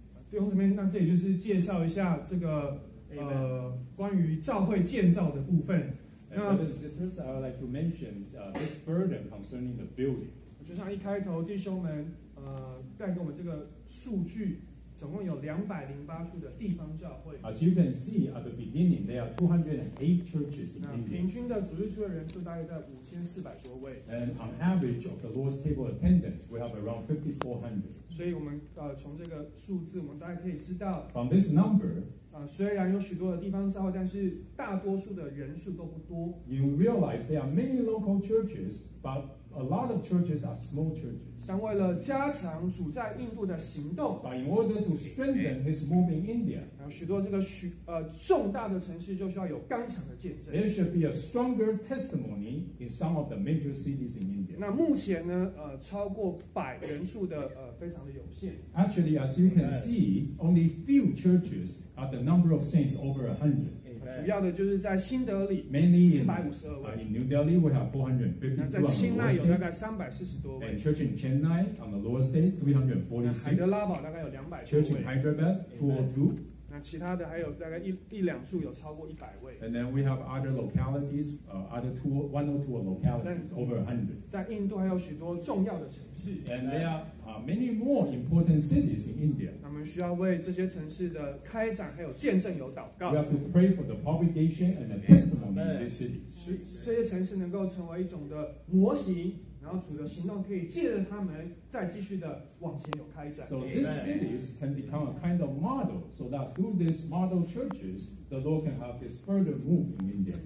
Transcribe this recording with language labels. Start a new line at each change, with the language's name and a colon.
Chinese: 弟兄姊妹，那这里就是介绍一下这个关于教会建造的部分。那
English: sisters, I would like to mention this burden concerning the building。
Chinese: 就像一开头弟兄们带给我们这个数据，总共有208处的地方教会。
English: As you can see at the beginning, there are 208 churches in India.
Chinese: 平均的主日聚会人数大概在5400多位。
English: And on average of the Lord's table attendance, we have around 5400.
Chinese: 所以我们从这个数字，我们大概可以知道。
English: From this number,
Chinese: 虽然有许多的地方教会，但是大多数的人数都不多。
English: You realize there are many local churches, but a lot of churches are small churches.
Chinese: 但为了加强主在印度的行动
English: But in order to strengthen his move in India
Chinese: 许多这个重大的城市就需要有刚强的见证
English: There should be a stronger testimony in some of the major cities in India
Chinese: 那目前呢超过百人数的非常的有限
English: Actually as you can see only few churches are the number of saints over 100
Chinese: 主要的就是在新德里
English: Mainly
Chinese: 452位
English: in New Delhi we have 452
Chinese: 在清奈有大概340多位
English: And church in Chennai on the lower state 346
Chinese: 海德拉堡大概有200多位
English: Church in Hyderabad 202
Chinese: 那其他的还有大概一两处有超过100位
English: And then we have other localities other 102 localities over 100
Chinese: 在印度还有许多重要的城市
English: And there are many more important cities in India
Chinese: 我们需要为这些城市的开展还有见证有祷告
English: We have to pray for the propagation and the testimony in these cities
Chinese: 这些城市能够成为一种的模型然后主的行动可以借着他们再继续的往前有开展。
English: So these cities can become a kind of model, so that through these model churches, the Lord can have His further move in India.